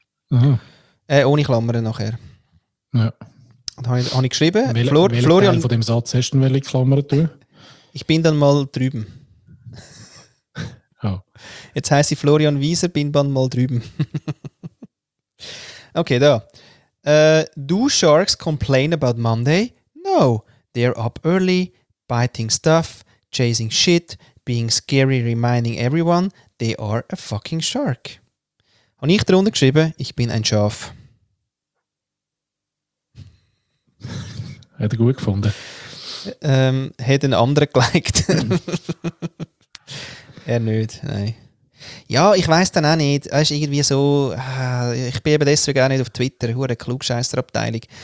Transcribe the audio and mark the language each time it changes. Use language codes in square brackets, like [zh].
[de] Aha. Ohne Klammern nachher. Ja. Und habe ich geschrieben. Florian, von dem Satz hast du welche Klammern tun? Ich bin dann mal drüben. Oh. Jetzt heisse ich Florian Wieser, bin dann mal drüben. Okay, da. [en] Do sharks complain about Monday? No, they're up early, biting stuff, chasing shit, being scary, reminding everyone, they are a fucking shark. [de] Und ich drunter geschrieben, ich bin ein Schaf. Hat er gut gefunden. Hat einen anderen geliked. Er nicht, nein. Ja, ich weiss dann auch nicht. Es ist irgendwie so, ich bin eben deswegen auch nicht auf Twitter, eine Klugscheisserabteilung.